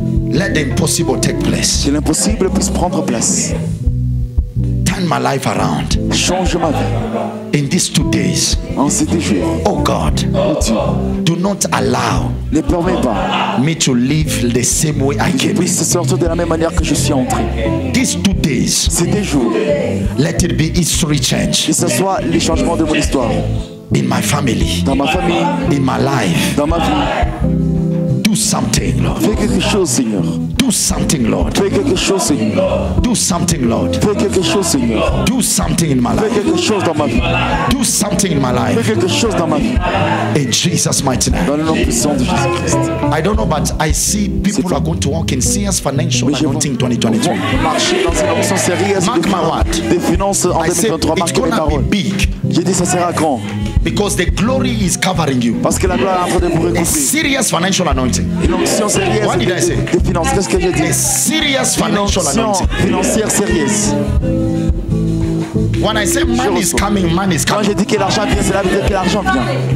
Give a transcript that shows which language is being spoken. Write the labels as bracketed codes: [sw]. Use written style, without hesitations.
[en] Let the impossible take place. [fr] Que l'impossible puisse prendre place. [en] Turn my life around. [fr] Change ma vie. [en] In these 2 days. [fr] En ces 2 jours. [en] Oh God. [fr] Oh Dieu. [en] Do not allow. [fr] Ne permets pas. [en] Me to live the same way I came. [fr] Que je puisse sortir de la même manière que je suis entré. [en] These 2 days. [fr] Ces 2 jours. [en] Let it be history change. [fr] Que ce soit les changements de mon histoire. [en] In my family. [fr] Dans ma famille. [en] In my life. [fr] Dans ma vie. [en] Do something, Lord. [fr] Fais quelque chose, Seigneur. [en] Do something, Lord. [fr] Fais quelque chose, Seigneur. [en] Do something, Lord. [fr] Fais quelque chose, Seigneur. [en] Do something in my life. [fr] Fais quelque chose dans ma vie. [en] Do something in my life. [fr] Fais quelque chose dans ma vie. [en] In Jesus' mighty name. [fr] Dans le nom puissant de Jésus Christ. [en] I don't know, but I see people are going to walk in serious financial anointing 2023. [fr] Marcher dans une émotion sérieuse. [en] Mark my word. [fr] Des finances en 2023. [en] It's gonna be big. [fr] J'ai dit ça sera grand. [en] Because the glory is covering you. [fr] Parce que la gloire est en train de vous recouvrir. [en] A serious financial anointing. [fr] Une onction sérieuse. [en] What did I say? [fr] Des finances. Qu'est-ce que j'ai dit? [en] A serious financial anointing. [fr] Financière sérieuse. [en] When I say man is coming, man is coming. [fr] Quand j'ai dit que l'argent vient, c'est là que l'argent vient.